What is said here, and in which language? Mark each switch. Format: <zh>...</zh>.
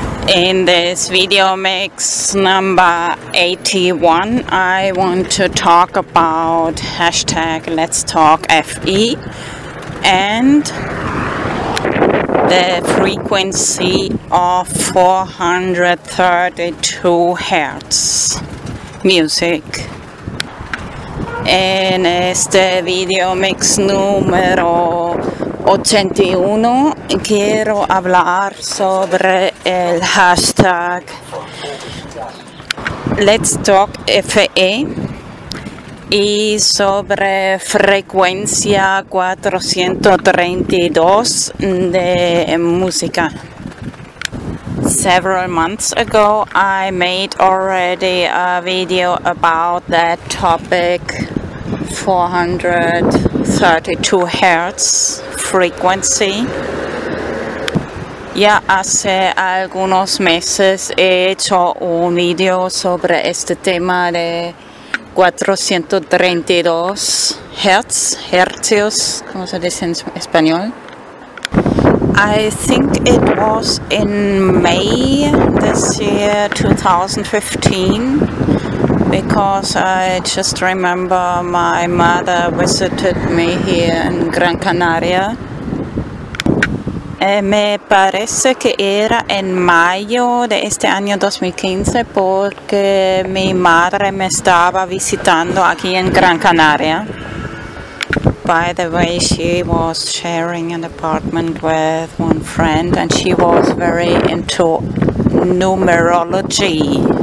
<en>In this video mix number 81, I want to talk about hashtag LetsTalkFE and the frequency of 432 Hz music.</en> <es>En este video mix número 81 quiero hablar sobre el hashtag LetsTalkFE y sobre frecuencia 432 de música.</es> <en>Several months ago I made already a video about that topic, 432 Hz frequency.</en> <es>Ya hace algunos meses he hecho un video sobre este tema de 432 Hz, como se dice en español.</es> <en>I think it was in May this year, 2015. Because I just remember my mother visited me here in Gran Canaria.</en> <es>Me parece que era en mayo de este año 2015 porque mi madre me estaba visitando aquí en Gran Canaria.</es> <en>By the way, she was sharing an apartment with one friend and she was very into numerology.</en>